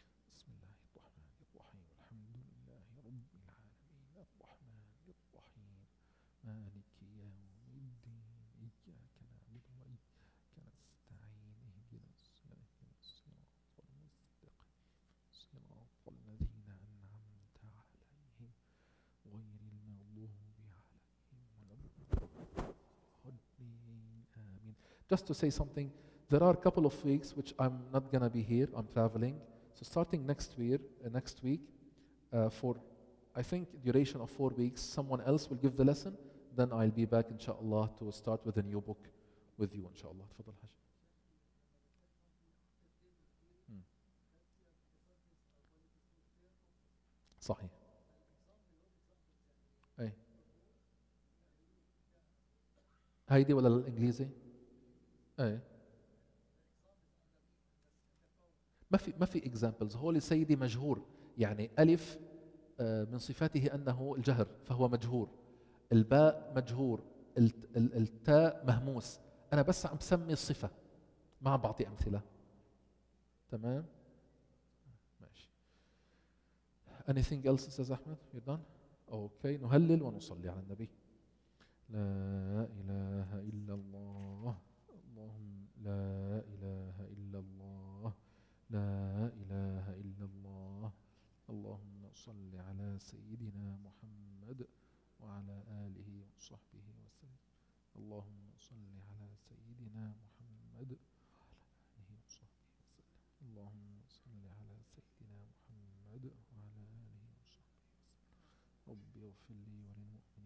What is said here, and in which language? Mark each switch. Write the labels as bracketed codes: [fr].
[ar] بسم الله الرحمن الرحيم، الحمد لله رب العالمين، الرحمن الرحيم، مالك يوم الدين، إياك نعبد وإياك نستعين، اهدنا الصراط المستقيم، صراط الذين أنعمت عليهم غير المغضوب عليهم ولا الضالين، آمين. [en] Just to say something, there are a couple of weeks which I'm not going to be here. I'm traveling. So starting next week, for I think duration of 4 weeks, someone else will give the lesson. Then I'll be back, inshallah, to start with a new book with you, inshallah. [ar] Tafadhal Hajj. Sahih. Hey. Haydi wala al-Inglizi? Hey. ما في examples. هولي سيدي مجهور، يعني ألف من صفاته أنه الجهر فهو مجهور، الباء مجهور، التاء مهموس. أنا بس عم بسمي الصفة، ما عم بعطي أمثلة. تمام، ماشي. [en] Anything else says Ahmed? You're done. [ar] Okay. نهلل ونصلي على النبي. لا إله إلا الله، اللهم لا إله إلا الله، لا إله إلا الله، اللهم صل على سيدنا محمد وعلى آله وصحبه وسلم، اللهم صل على سيدنا محمد وعلى آله وصحبه وسلم، اللهم صل على سيدنا محمد وعلى آله وصحبه وسلم، ربي اغفر لي وللمؤمنين.